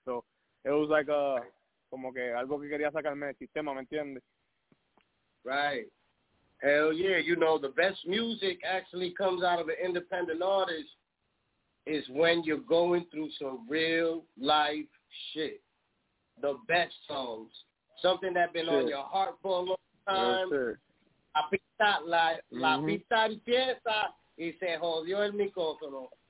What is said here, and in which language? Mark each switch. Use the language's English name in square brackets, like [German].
[English] So, it was like a, [Spanish] como que algo que quería sacarme del sistema, ¿me entiendes? [English] Right. Hell yeah, you know, the best music actually comes out of an independent artist is when you're going through some real life shit. The best songs. Something that's been on your heart for a long time. Yes, sir. [Spanish] La pista, la pista empieza y se jodió el micrófono.